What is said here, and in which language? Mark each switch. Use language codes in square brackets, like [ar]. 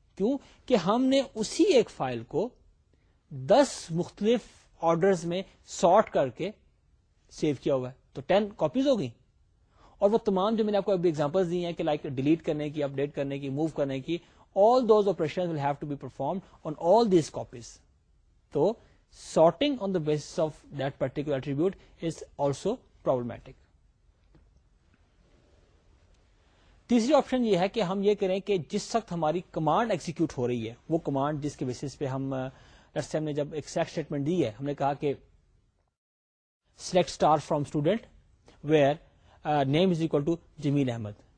[ur] کیوں؟ کہ ہم نے اسی ایک فائل کو 10 مختلف آرڈرز میں سارٹ کر کے سیو کیا ہوا ہے, تو 10 کاپیز ہو گئی. اور وہ تمام جو میں نے آپ کو ابھی ایگزامپلز دی ہیں کہ لائک ڈیلیٹ کرنے کی, اپ ڈیٹ کرنے کی, موو کرنے کی, [en] All those operations will have to be performed on all these copies. تو sorting on the basis of that particular attribute is also problematic. [ur] تیسری آپشن یہ ہے کہ ہم یہ کریں کہ جس وقت ہماری کمانڈ ایگزیکیوٹ ہو رہی ہے, وہ کمانڈ جس کے بیسس پہ ہم لیٹس سے ہم نے جب ایک سیلیکٹ سٹیٹمنٹ دی ہے, ہم نے کہا کہ [en] Select star from student where name is equal to Jamil Ahmed.